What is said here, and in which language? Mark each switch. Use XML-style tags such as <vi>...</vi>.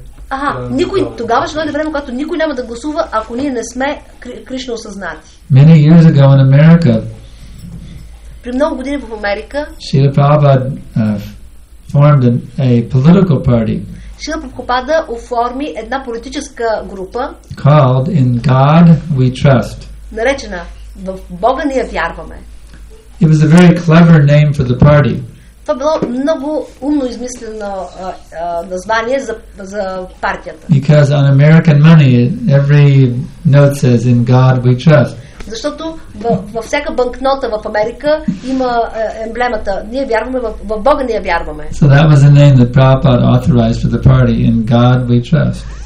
<bg>Ага, никой тогава ще дойде време, когато никой няма да гласува, ако ние не сме Кришна осъзнати.</bg> <en>Many years ago in America.</en> <bg>При много години в Америка.</bg> <en>Шрила Прабхупада formed a political party.</en> <bg>Шрила Прабхупада оформи една политическа група.</bg> <en>Called In God We Trust.</en> <bg>Наречена В Бога ние вярваме.</bg> <en>It was a very clever name for the party.</en> <bg>Това било много умно измислено название за партията.</bg> <en>Because on American money, every note says In God We Trust.</en> <bg>Защото във всяка банкнота в Америка има емблемата Ние вярваме в Бога, ние вярваме.</bg> <en>So that was the name that Prabhupada authorized for the party, In God We Trust.</en>